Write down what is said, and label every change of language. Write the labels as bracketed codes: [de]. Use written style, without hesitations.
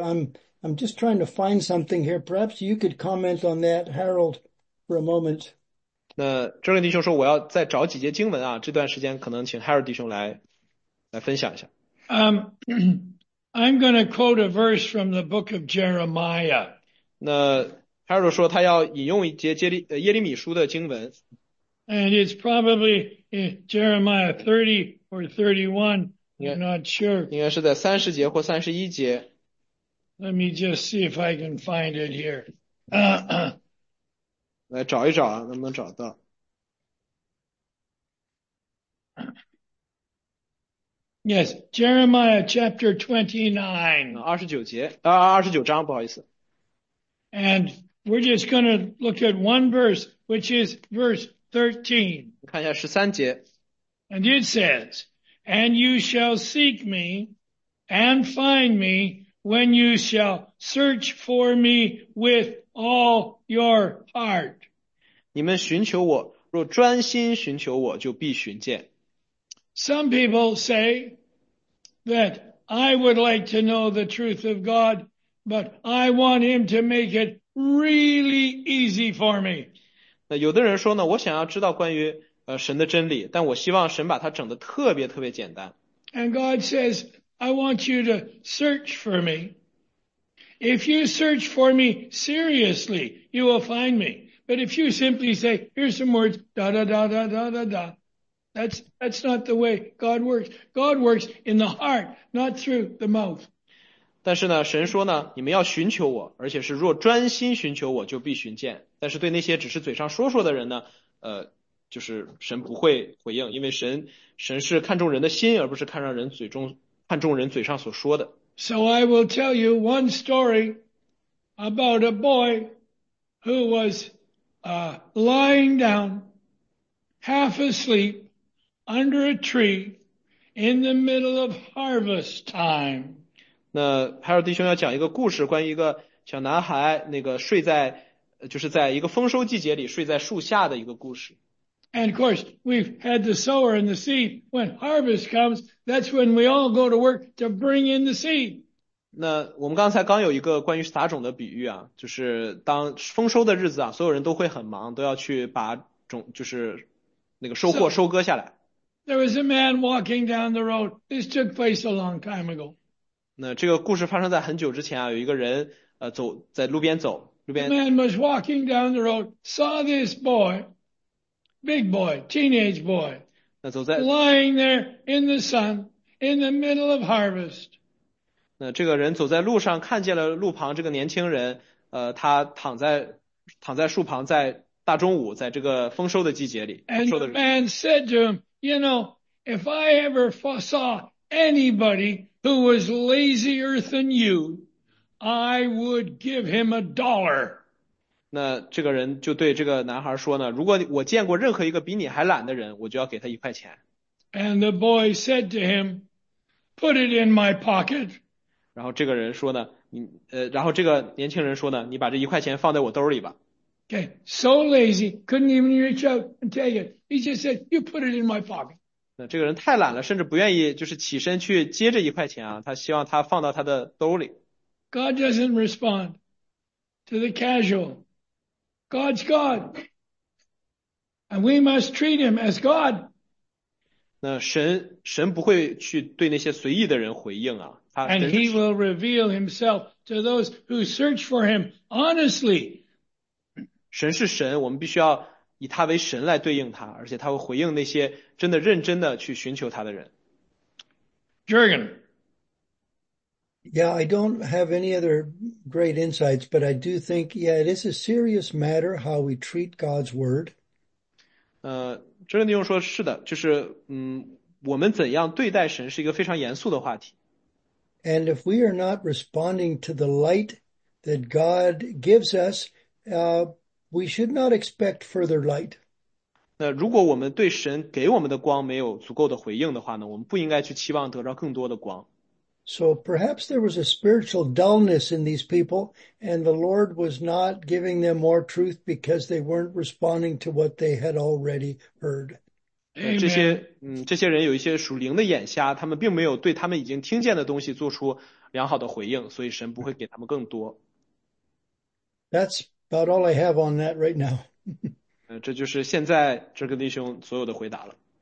[en] I'm just trying to find something here. Perhaps you could comment on that, Harold, for a moment. [zh] 那这位弟兄说，我要再找几节经文啊，这段时间可能请 Harold 弟兄来分享一下。 [en] I'm going to quote a verse from the book of Jeremiah. [zh] 那 Harold 说他要引用一节耶利米书的经文。 [en] And it's probably in Jeremiah 30 or 31. I'm not sure. [zh] 应该是在30节或31节。 [en] Let me just see if I can find it here. [zh] 来找一找啊，能不能找到。 [en] Yes, Jeremiah chapter 29. [zh] 29章，不好意思。 [en] And we're just going to look at one verse, which is verse 13. [zh] 看一下13节。 [en] And it says, and you shall seek me and find me when you shall search for me with all your heart. [zh] 你们寻求我，若专心寻求我，就必寻见。 [en] Some people say that I would like to know the truth of God, but I want him to make it really easy for me. [zh] 那有的人说呢，我想要知道关于神的真理，但我希望神把它整得特别特别简单。 [en] And God says, I want you to search for me. If you search for me seriously, you will find me. But if you simply say, here's some words, da da da da da da da, that's not the way God works. God works in the heart, not through the mouth. [zh] 但是呢，神说呢，你们要寻求我，而且是若专心寻求我，就必寻见。但是对那些只是嘴上说说的人呢，就是神不会回应，因为神是看重人的心，而不是看重人嘴上所说的。 [en] So I will tell you one story. about a boy who was lying down, half asleep, under a tree in the middle of harvest time. [zh] 那哈尔弟兄要讲一个故事，关于一个小男孩，那个睡在，就是在一个丰收季节里睡在树下的一个故事。 [en] And of course, we've had the sower and the seed. When harvest comes, that's when we all go to work to bring in the seed. [zh] 那我们刚才刚有一个关于撒种的比喻啊，就是当丰收的日子啊，所有人都会很忙，都要去把种，就是那个收获收割下来。 [en] So, there was a man walking down the road. This took place a long time ago. [zh] 那这个故事发生在很久之前啊，有一个人走在路边走，路边。 [en] The man was walking down the road, saw this boy. Big boy, teenage boy, lying there in the sun, in the middle of harvest. [zh] 那这个人走在路上，看见了路旁这个年轻人，他躺在树旁，在大中午，在这个丰收的季节里。 [en] And the man said to him, "You know, if I ever saw anybody who was lazier than you, I would give him a dollar." [zh] 那这个人就对这个男孩说呢，如果我见过任何一个比你还懒的人，我就要给他一块钱。 [en] And the boy said to him, "Put it in my pocket." [zh] 然后这个人说呢，然后这个年轻人说呢，你把这一块钱放在我兜里吧。 [en] Okay, so lazy, couldn't even reach out and take it. He just said, "You put it in my pocket." [zh] 那这个人太懒了，甚至不愿意就是起身去接这一块钱啊，他希望他放到他的兜里。 [en] God doesn't respond to the casual. God's God. And we must treat him as God. [zh] 那神不会去对那些随意的人回应啊。 [en] And he will reveal himself to those who search for him honestly. [zh] 神是神，我们必须要以他为神来对应他，而且他会回应那些真的认真的去寻求他的人。 [en] Jürgen. Yeah, I don't have any other... great insights, but I do think, yeah, it is a serious matter how we treat God's word. [zh] 这个弟兄说是的，就是我们怎样对待神是一个非常严肃的话题。 [en] And if we are not responding to the light that God gives us, we should not expect further light. [zh] 那如果我们对神给我们的光没有足够的回应的话呢，我们不应该去期望得到更多的光。 [en] So perhaps there was a spiritual dullness in these people, and the Lord was not giving them more truth because they weren't responding to what they had already heard. [zh] 这些人有一些属灵的眼瞎，他们并没有对他们已经听见的东西做出良好的回应，所以神不会给他们更多。 [en] That's about all I have on that right now. [zh] 这就是现在这个弟兄所有的回答了。